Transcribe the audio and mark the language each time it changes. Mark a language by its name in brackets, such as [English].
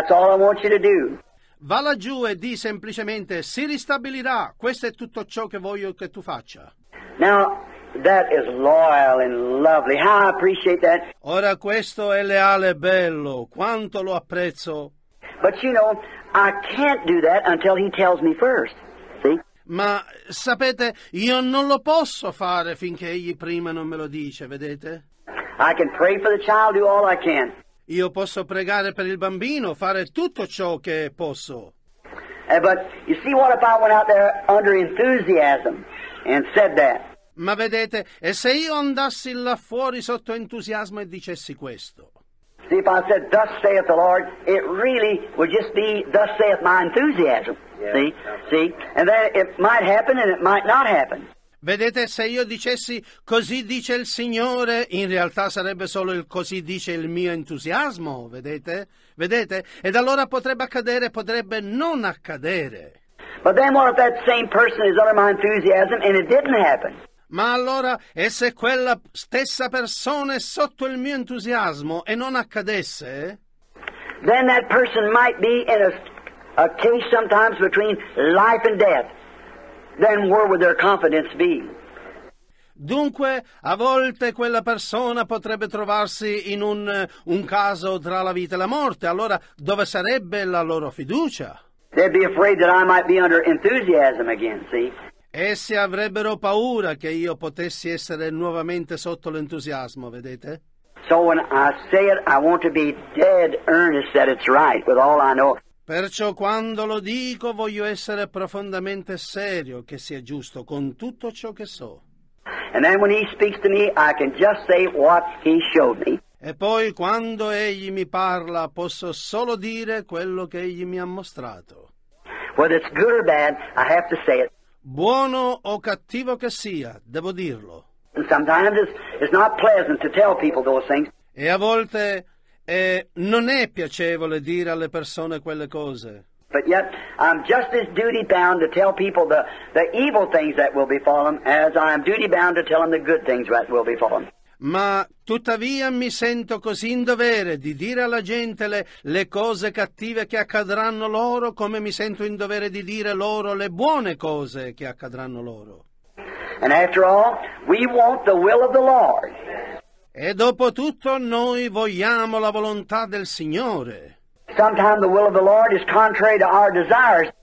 [English] That's all I want you to do. [Italian] Va laggiù e di semplicemente si ristabilirà. Questo è tutto ciò che voglio che tu faccia. [English] Now that is loyal and lovely. How I appreciate that. [Italian] Ora questo è leale e bello. Quanto lo apprezzo. [English] But you know, I can't do that until he tells me first. See? [Italian] Ma sapete, io non lo posso fare finché egli prima non me lo dice, vedete? [English] I can pray for the child, do all I can. [Italian] Io posso pregare per il bambino, fare tutto ciò che posso. [English] But you see, what if I went out there under enthusiasm and said that? [Italian] Ma vedete, e se io andassi là fuori sotto entusiasmo e dicessi questo? [English] See, if I said, Thus saith the Lord, it really would just be, Thus saith my enthusiasm. Yeah. See? And then it might happen and it might not happen. [Italian] Vedete, se io dicessi così dice il Signore, in realtà sarebbe solo il così dice il mio entusiasmo, vedete? Vedete? Ed allora potrebbe accadere, potrebbe non accadere. [English] But then what if that same person is under my enthusiasm and it didn't happen? [Italian] Ma allora, e se quella stessa persona è sotto il mio entusiasmo e non accadesse? [English] Then that person might be in a case sometimes between life and death. Then where would their confidence be? [Italian] Dunque, a volte quella persona potrebbe trovarsi in un caso tra la vita e la morte. Allora, dove sarebbe la loro fiducia? [English] They'd be afraid that I might be under enthusiasm again, see? [Italian] Essi avrebbero paura che io potessi essere nuovamente sotto l'entusiasmo, vedete? [English] So when I say it, I want to be dead earnest that it's right with all I know. [Italian] Perciò quando lo dico voglio essere profondamente serio che sia giusto con tutto ciò che so. [English] And then when he speaks to me, I can just say what he showed me. [Italian] E poi quando egli mi parla posso solo dire quello che egli mi ha mostrato. [English] Whether it's good or bad, I have to say it. [Italian] Buono o cattivo che sia, devo dirlo. [English] And sometimes it's not pleasant to tell people those things. [Italian] E a volte non è piacevole dire alle persone quelle cose. [English] But yet I'm just as duty bound to tell people the evil things that will befall them as I am duty bound to tell them the good things that will befall them. [Italian] Ma tuttavia mi sento così in dovere di dire alla gente le cose cattive che accadranno loro come mi sento in dovere di dire loro le buone cose che accadranno loro. [English] And after all, we want the will of the Lord. [Italian] E dopo tutto noi vogliamo la volontà del Signore. [English] Sometimes the will of the Lord is contrary to our desires.